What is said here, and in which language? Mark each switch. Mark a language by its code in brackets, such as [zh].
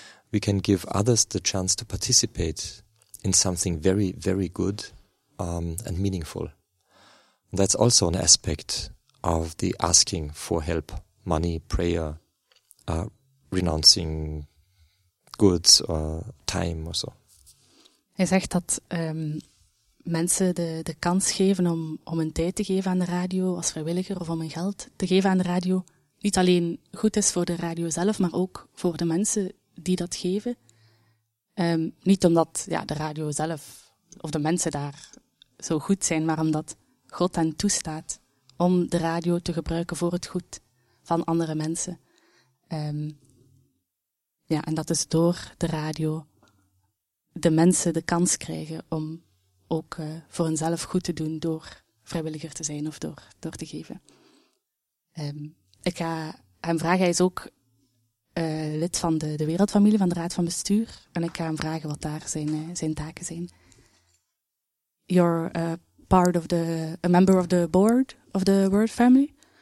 [en] We can give others the chance to participate in something very, very good and meaningful. That's also an aspect of the asking for help, money, prayer, renouncing goods or time or so. [nl] Hij zegt dat mensen de kans geven om hun tijd te geven aan de radio als vrijwilliger of om hun geld te geven aan de radio niet alleen goed is voor de radio zelf, maar ook voor de mensen die dat geven. Niet omdat ja, de radio zelf of de mensen daar zo goed zijn, maar omdat God hen toestaat om de radio te gebruiken voor het goed van andere mensen. Ja, en dat is door de radio de mensen de kans krijgen om ook voor hunzelf goed te doen door vrijwilliger te zijn of door te geven. Ik ga hem vragen, hij is ook lid van de Wereldfamilie, van de Raad van Bestuur, en ik ga hem vragen wat daar zijn taken zijn. [en] You're a member of the board of the World Family.